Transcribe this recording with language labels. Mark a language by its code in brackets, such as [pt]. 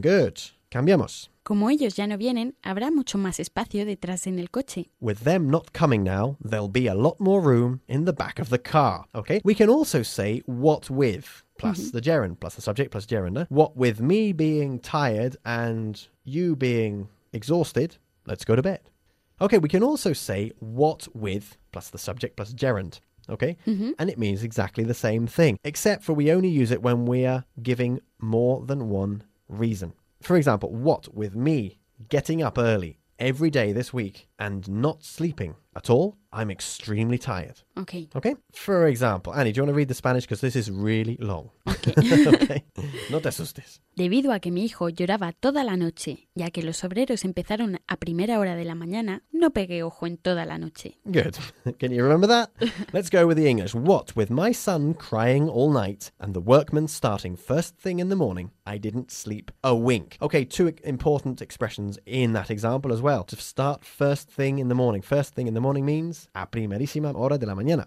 [en] Good. Cambiamos. [es] Como ellos ya no vienen, habrá mucho más espacio detrás en el coche. [en] With them not coming now, there'll be a lot more room in the back of the car. Okay? We can also say what with plus the gerund, plus the subject plus gerund. What with me being tired and you being exhausted, let's go to bed. Okay, we can also say what with plus the subject plus gerund. Okay? Mm-hmm. And it means exactly the same thing, except for we only use it when we are giving more than one reason. For example, what with me getting up early every day this week and not sleeping at all, I'm extremely tired. Okay. Okay? For example, Annie, do you want to read the Spanish? Because this is really long. Okay. [es] Okay? No te asustes. Debido a que mi hijo lloraba toda la noche, ya que los obreros empezaron a primera hora de la mañana, no pegué ojo en toda la noche. [en] Good. Can you remember that? Let's go with the English. What with my son crying all night and the workmen starting first thing in the morning, I didn't sleep a wink. Okay, two important expressions in that example as well. To start first thing in the morning. First thing in the morning means [es] a primerísima hora de la mañana.